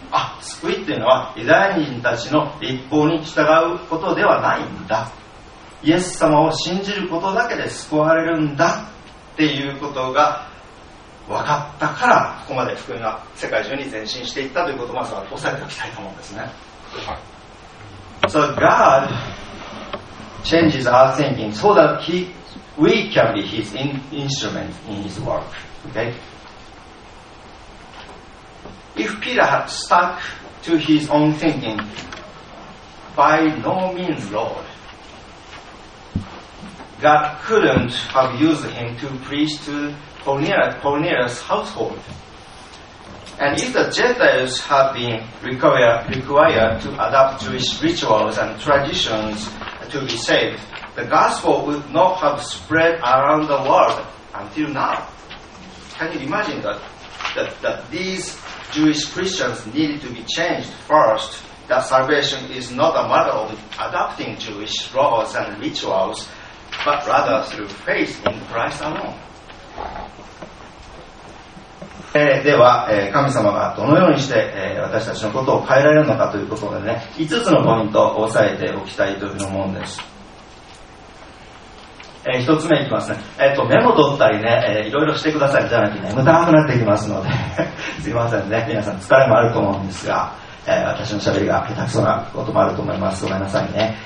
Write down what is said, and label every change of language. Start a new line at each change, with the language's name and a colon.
Japanese: あ、救いっていうのはユダヤ人たちの立法に従うことではないんだ、イエス様を信じることだけで救われるんだっていうことが分かったから、ここまで福音が世界中に前進していったということをまずは押さえておきたいと思うんですね。
English: So God changes our thinking so that we can be His instrument in His work. Okay? If Peter had stuck to his own thinking, by no means, Lord, God couldn't have used him to preach to Cornelius' household. And if the Gentiles had been required to adopt Jewish rituals and traditions to be saved, the gospel would not have spread around the world until now. Can you imagine that these Jewish Christians needed to be changed first, that salvation is not a matter of adopting Jewish laws and rituals, but rather through faith in Christ alone?
Japanese: では、神様がどのようにして、私たちのことを変えられるのかということでね、5つのポイントを押さえておきたいというふうに思うんです。 1つ目いきますね。メモ取ったりね、いろいろしてくださいじゃなくて眠たくなってきますのですいませんね、皆さん疲れもあると思うんですが、私のしゃべりが下手くそなこともあると思います、ごめんなさいね。